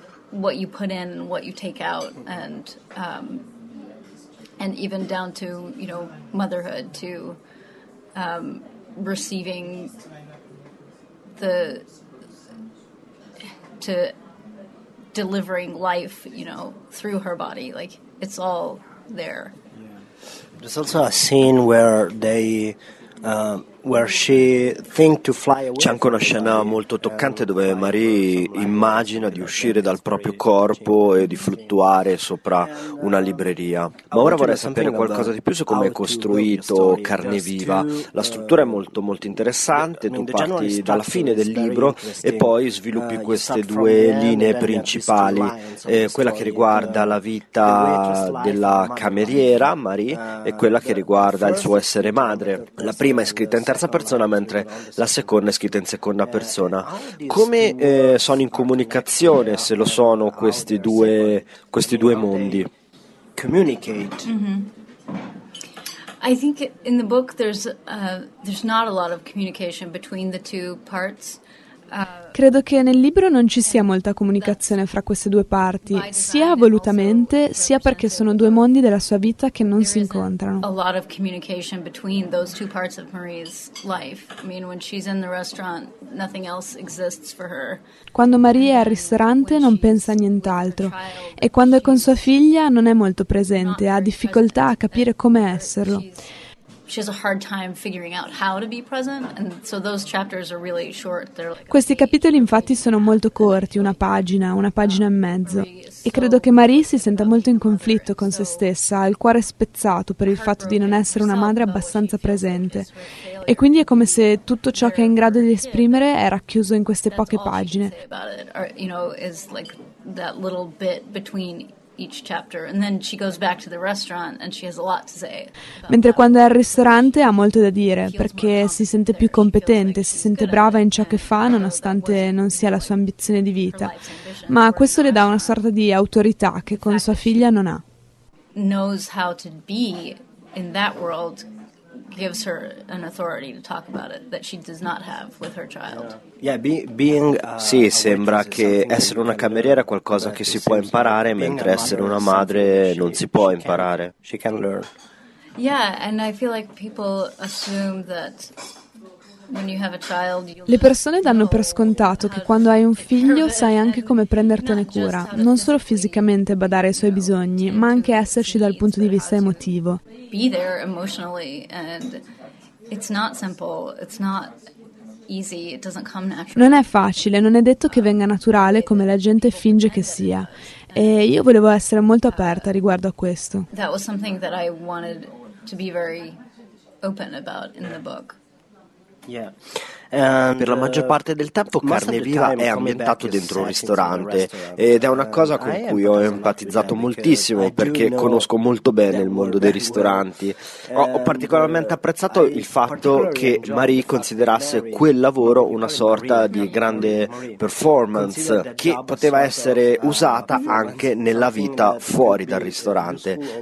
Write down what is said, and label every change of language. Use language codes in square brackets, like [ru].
[en] What you put in and what you take out, and even down to, you know, motherhood, to receiving the, to delivering life, you know, through her body, like it's all there. There's also a scene where they where she think to fly away. [it] C'è anche una scena molto toccante dove Marie immagina di uscire dal proprio corpo e di fluttuare sopra una libreria. Ma ora vorrei sapere qualcosa di più su come è costruito Carne Viva. La struttura è molto molto interessante, tu parti dalla fine del libro e poi sviluppi queste due linee principali, quella che riguarda la vita della cameriera Marie e quella che riguarda il suo essere madre. La prima è scritta in terza persona, mentre la seconda è scritta in seconda persona. Come sono in comunicazione, se lo sono, questi due mondi? [en] Communicate. I think in the book there's not a lot of communication between the two parts. [it] Credo che nel libro non ci sia molta comunicazione fra queste due parti, sia volutamente, sia perché sono due mondi della sua vita che non si incontrano. [en] A lot of communication between those two parts of Marie's life. I mean, when she's in the restaurant, nothing else exists for her. [it] Quando Marie è al ristorante non pensa a nient'altro e quando è con sua figlia non è molto presente, ha difficoltà a capire come esserlo. [en] She has a hard time figuring out how to be present, and so those chapters are really short. They're like [it] questi capitoli, infatti, sono molto corti, una pagina e mezzo. E credo che Marie si senta molto in conflitto con se stessa, ha il cuore spezzato per il fatto di non essere una madre abbastanza presente. E quindi è come se tutto ciò che è in grado di esprimere è racchiuso in queste poche pagine. [en] You know, is like that little bit between each chapter, and then she goes back to the restaurant and she has a lot to say. [it] Mentre quando è al ristorante ha molto da dire, perché si sente più competente, si sente brava in ciò che fa nonostante non sia la sua ambizione di vita. Ma questo le dà una sorta di autorità che con sua figlia non ha. [en] Knows how to be in that world gives her an authority to talk about it that she does not have with her child. [it] Sì, sembra che essere una cameriera è qualcosa che si può imparare, mentre essere una madre non si può imparare. [en] She can learn. Yeah, and I feel like people assume that when you have a child, [it] le persone danno per scontato che quando hai un figlio sai anche come prendertene cura, non solo fisicamente badare ai suoi bisogni, ma anche esserci dal punto di vista emotivo. [en] Be there emotionally, and it's not simple, it's not easy, it doesn't come naturally. [it] Non è facile, non è detto che venga naturale come la gente finge che sia. E io volevo essere molto aperta riguardo a questo. [en] That was something that I wanted to be very open about in the book. [it] Per la maggior parte del tempo Carne Viva è ambientato dentro un ristorante ed è una cosa con cui ho empatizzato moltissimo perché conosco molto bene il mondo dei ristoranti. Ho particolarmente apprezzato il fatto che Marie considerasse quel lavoro una sorta di grande performance che poteva essere usata anche nella vita fuori dal ristorante.